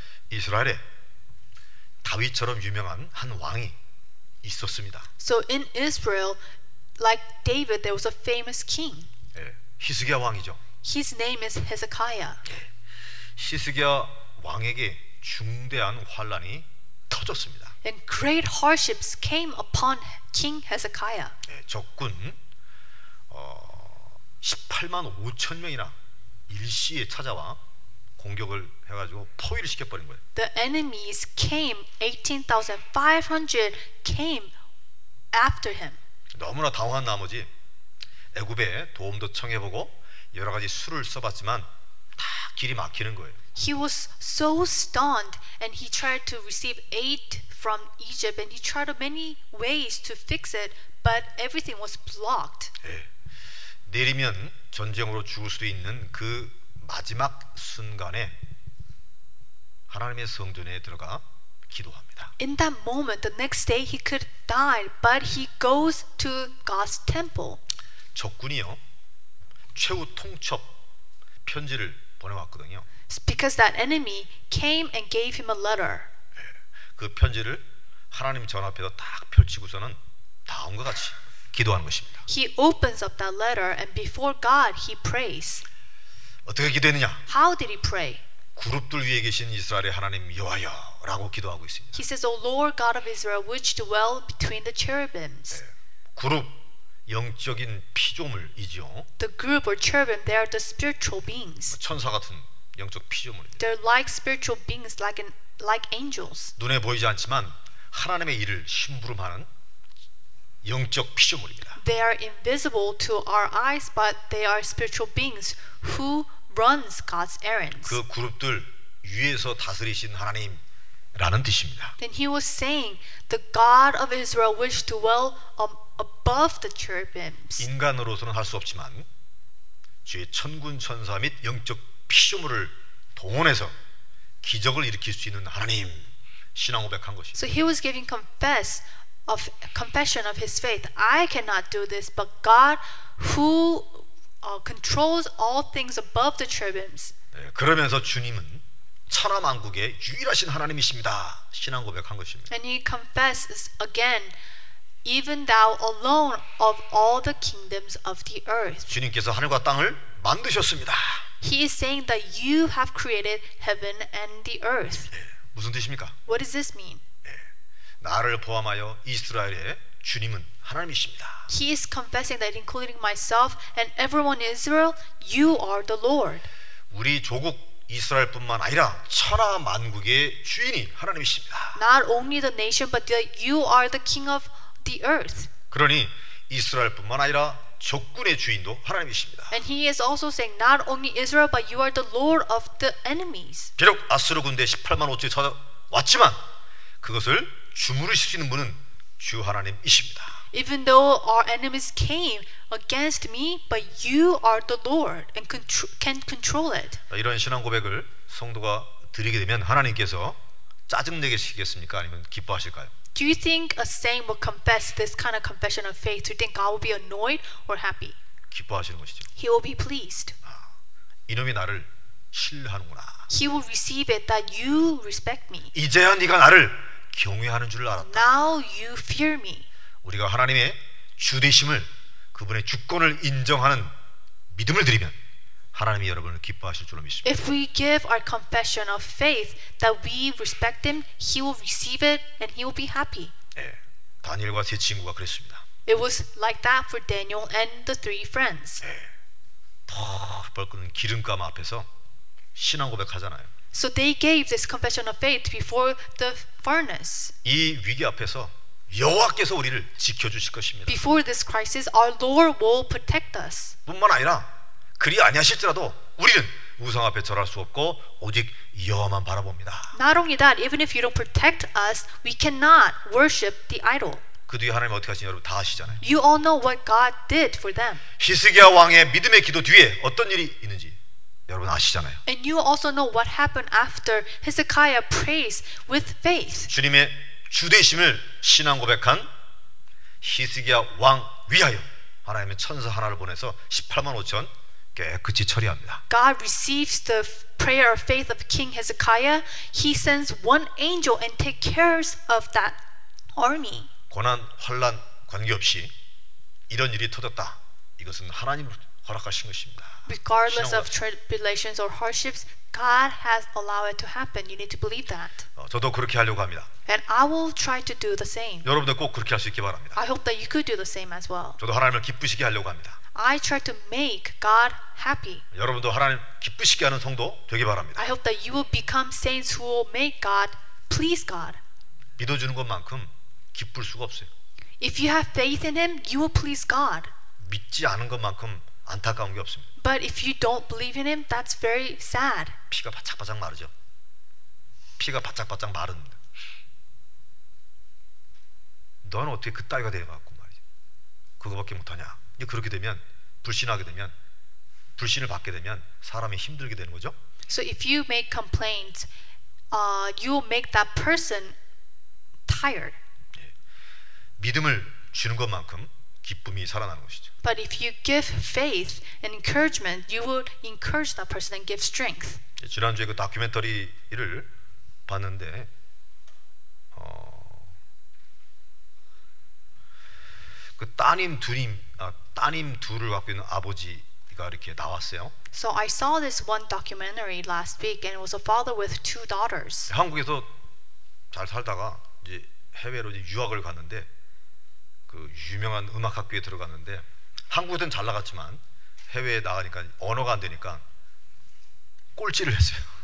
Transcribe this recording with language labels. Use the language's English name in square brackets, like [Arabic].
[Korean] 이스라엘에 다윗처럼 유명한 한 왕이 있었습니다. [English] So in Israel, like David, there was a famous king. [Korean] 예, 히스기야 왕이죠. [English] His name is Hezekiah. [Korean] 예, 히스기야 왕에게 중대한 환난이 터졌습니다. [English] And great hardships came upon King Hezekiah. [Korean] 네, 적군 18만 5천 명이나 일시에 찾아와 공격을 해가지고 포위를 시켜버린 거예요. [English] The enemies came, 18,500 came after him. [Korean] 너무나 당황한 나머지 애굽에 도움도 청해보고 여러 가지 수를 써봤지만 다 길이 막히는 거예요. [English] He was so stunned and he tried to receive aid from Egypt and he tried many ways to fix it but everything was blocked. [Korean] 예, 내리면 전쟁으로 죽을 수도 있는 그 마지막 순간에 하나님의 성전에 들어가 기도합니다. [English] In that moment, the next day he could die but he goes to God's temple. [Korean] 적군이요. 최후 통첩 편지를 보내왔거든요. [English] Because that enemy came and gave him a letter. [Korean] 그 편지를 하나님 전 앞에서 딱 펼치고서는 다음과 같이 기도하는 것입니다. [English] He opens up that letter and before God he prays. [Korean] 어떻게 기도했느냐? [English] How did he pray? [Korean] 그룹들 위에 계신 이스라엘의 하나님 여호와여라고 기도하고 있습니다. [English] He says, "O Lord God of Israel, which dwell between the cherubims." [Korean] 그룹 영적인 피조물이지요. [English] The group or cherubim, they are the spiritual beings. [Korean] 천사 같은 영적 피조물입니다. [English] They're like spiritual beings, like angels. [Korean] 눈에 보이지 않지만 하나님의 일을 심부름하는 영적 피조물입니다. [English] They are invisible to our eyes, but they are spiritual beings who runs God's errands. [Korean] 그 그룹들 위에서 다스리신 하나님이라는 뜻입니다. [English] Then he was saying, "The God of Israel, which dwell above the cherubims." [Korean] 인간으로서는 할 수 없지만 주의 천군 천사 및 영적 피조물을 동원해서 기적을 일으킬 수 있는 하나님 신앙 고백한 것입니다. [English] So he was giving confession of his faith. I cannot do this, but God, who controls all things above the cherubims. [Korean] 네, 그러면서 주님은 천하 만국의 유일하신 하나님이십니다. 신앙 고백한 것입니다. [English] And he confesses again, "Even Thou alone of all the kingdoms of the earth." [Korean] 주님께서 하늘과 땅을 만드셨습니다. [English] He is saying that you have created heaven and the earth. [Korean] 네, 무슨 뜻입니까? [English] What does this mean? [Korean] 네, 나를 포함하여 이스라엘의 주님은 하나님이십니다. [English] He is confessing that including myself and everyone in Israel, you are the Lord. [Korean] 우리 조국 이스라엘뿐만 아니라 천하 만국의 주인이 하나님이십니다. [English] Not only the nation, but you are the king of the earth. [Korean] 그러니 이스라엘뿐만 아니라 적군의 주인도 하나님이십니다. [English] And he is also saying, not only Israel, but you are the Lord of the enemies. [Korean] 비록 아수르 군대 18만 5천이 찾아왔지만 그것을 주무르실 수 있는 분은 주 하나님이십니다. [English] Even though our enemies came against me, but you are the Lord and can control it. [Korean] 이런 신앙 고백을 성도가 드리게 되면 하나님께서 짜증 내시겠습니까? 아니면 기뻐하실까요? [English] Do you think a saint will confess this kind of confession of faith? Do you think God will be annoyed or happy? [Korean] 기뻐하시는 것이죠. [English] He will be pleased. [Korean] 아, 이놈이 나를 신뢰하는구나. [English] He will receive it that you respect me. [Korean] 이제야 네가 나를 경외하는 줄 알았다. [English] Now you fear me. [Korean] 우리가 하나님의 주되심을 그분의 주권을 인정하는 믿음을 드리면 하나님이 여러분을 기뻐하실 줄로 믿습니다. [English] If we give our confession of faith that we respect him, he will receive it and he will be happy. [Korean] 예, 다니엘과 세 친구가 그랬습니다. [English] It was like that for Daniel and the three friends. [Korean] 예, 펄펄 끓는 기름감 앞에서 신앙 고백하잖아요. [English] So they gave this confession of faith before the furnace. [Korean] 이 위기 앞에서 여호와께서 우리를 지켜 주실 것입니다. [English] Before this crisis, our Lord will protect us. [Korean] 뿐만 아니라 그리 아니하실지라도 우리는 우상 앞에 절할 수 없고 오직 여호와만 바라봅니다. [English] Not only that, even if you don't protect us, we cannot worship the idol. [Korean] 그 뒤에 하나님이 어떻게 하신지 여러분 다 아시잖아요. [English] You all know what God did for them. [Korean] 히스기야 왕의 믿음의 기도 뒤에 어떤 일이 있는지 여러분 아시잖아요. [English] And you also know what happened after Hezekiah prays with faith. [Korean] 주님의 주되심을 신앙 고백한 히스기야 왕 위하여 하나님의 천사 하나를 보내서 18만 5천 깨끗이 처리합니다. [English] God receives the prayer of faith of King Hezekiah. He sends one angel and takes care of that army. [Korean] 고난, 환난 관계없이 이런 일이 터졌다. 이것은 하나님 허락하신 것입니다. [English] Regardless of tribulations or hardships, God has allowed it to happen. You need to believe that. [Korean] 저도 그렇게 하려고 합니다. [English] And I will try to do the same. [Korean] 여러분도 꼭 그렇게 할 수 있기 바랍니다. [English] I hope that you could do the same as well. [Korean] 저도 하나님을 기쁘시게 하려고 합니다. [English] I try to make God happy. [Korean] 여러분도 하나님 기쁘시게 하는 성도 되기 바랍니다. [English] I hope that you will become saints who will make God please God. [Korean] 믿어주는 것만큼 기쁠 수가 없어요. [English] If you have faith in Him, you will please God. [Korean] 믿지 않은 것만큼 안타까운 게 없습니다. [English] But if you don't believe in him, that's very sad. [Korean] 피가 바짝바짝 마르죠. 피가 바짝바짝 마릅니다. 넌 어떻게 그 따위가 돼갖고 말이죠. 그거밖에 못하냐. 이제 그렇게 되면 불신하게 되면 불신을 받게 되면 사람이 힘들게 되는 거죠. [English] So if you make complaints, you will make that person tired. [Korean] 예. 믿음을 주는 것만큼 기쁨이 살아나는 것이죠. [English] But if you give faith and encouragement, you will encourage that person and give strength. [Korean] 지난주에 그 다큐멘터리를 봤는데 그 따님 둘임 아, 따님 둘을 갖고 있는 아버지가 이렇게 나왔어요. [English] So I saw this one documentary last week and it was a father with two daughters. [Korean] 한국에서 잘 살다가 이제 해외로 이제 유학을 갔는데 그 유명한 음악 학교에 들어갔는데 한국에서는 잘 나갔지만 해외에 나가니까 언어가 안 되니까 꼴찌를 했어요.